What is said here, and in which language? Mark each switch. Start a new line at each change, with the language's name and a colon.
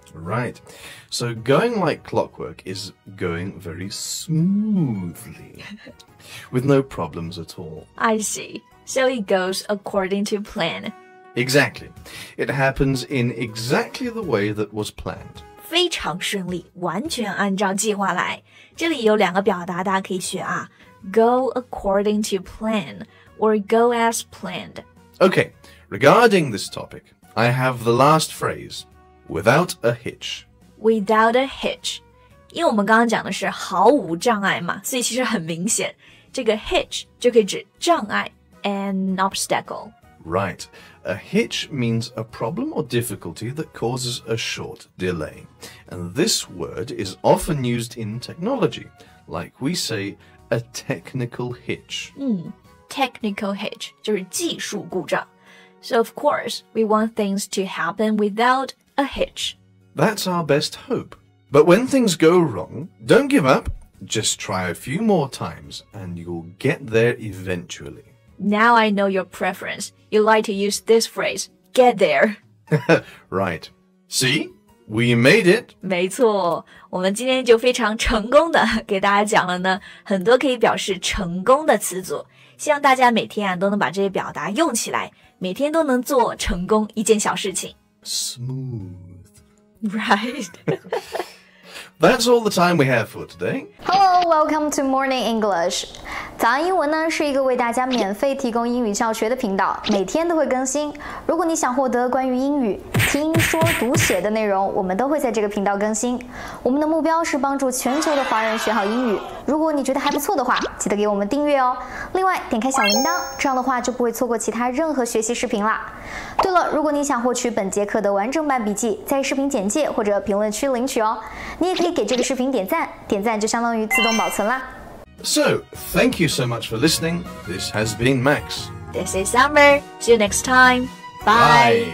English: Right. So going like clockwork is going very smoothly with no problems at all. I see. So it goes according to plan. Exactly. It happens in exactly the way that was planned.
Chinese: 非常顺利，完全按照计划来。这里有两个表达，大家可以学啊。
English: Go according to plan or go as planned. Okay, regarding this topic, I have the last phrase, without a hitch. Without a hitch.
Chinese: 因为我们刚刚讲的是毫无障碍嘛，所以其实很明显，这个 hitch 就可以指障碍 an obstacle.
English: Right. A hitch means a problem or difficulty that causes a short delay. And this word is often used in technology. Like we say, a technical hitch. Technical hitch,
Chinese: 就是技术故障。
English: So of course, we want things to happen without a hitch. That's our best hope. But when things go wrong, don't give up. Just try a few more times and you'll get there eventually. Now I know your preference. You like to use this phrase, get there. Right. See? We made it.
Chinese: 没错，我们今天就非常成功的给大家讲了呢很多可以表示成功的词组。希望大家每天啊都能把这些表达用起来，每天都能做成功一件小事情。
English: Smooth. Right. That's all the time we have for today. Hello, welcome to Morning English.
Chinese: 早安英文呢是一个为大家免费提供英语教学的频道，每天都会更新。如果你想获得关于英语听说读写的内容，我们都会在这个频道更新。我们的目标是帮助全球的华人学好英语。如果你觉得还不错的话，记得给我们订阅哦。另外，点开小铃铛，这样的话就不会错过其他任何学习视频啦。对了，如果你想获取本节课的完整版笔记，在视频简介或者评论区领取哦。你也可以给这个视频点赞，点赞就相当于自动保存啦。
English: So, thank you so much for listening. This has been Max. This is Amber. See you next time. Bye. Bye.